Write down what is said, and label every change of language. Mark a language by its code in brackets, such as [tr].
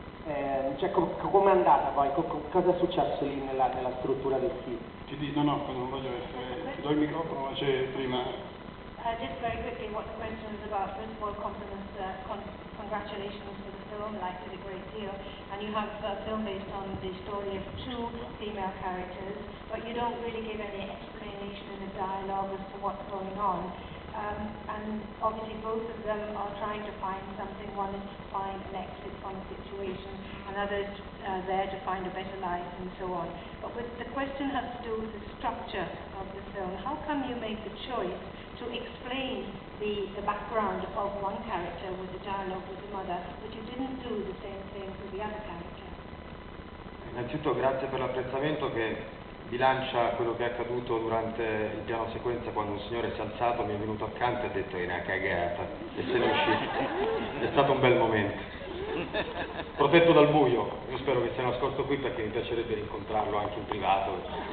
[it] Come è andata poi? Cosa è successo lì nella struttura del film? Ti dico, no, non voglio essere... Ti do il microfono, ma c'è prima... [en] Just very quickly, what the question was about. First of all, compliments, congratulations for the film. I liked it a great deal. And you have a film based on the story of two female characters, but you don't really give any explanation in the dialogue as to what's going on. And obviously both of them are trying to find something. One is to find an exit from the situation, another is there to find a better life and so on. But with the question has to do with the structure of the film. How come you make the choice to explain the background of one character with the dialogue with the mother, but you didn't do the same thing with the other character? [it] Innanzitutto grazie per l'apprezzamento che bilancia quello che è accaduto durante il piano sequenza, quando un signore si è alzato, mi è venuto accanto e ha detto: è una cagata, e se ne è uscito. È stato un bel momento, protetto dal buio. Io spero che sia nascosto qui, perché mi piacerebbe incontrarlo anche in privato.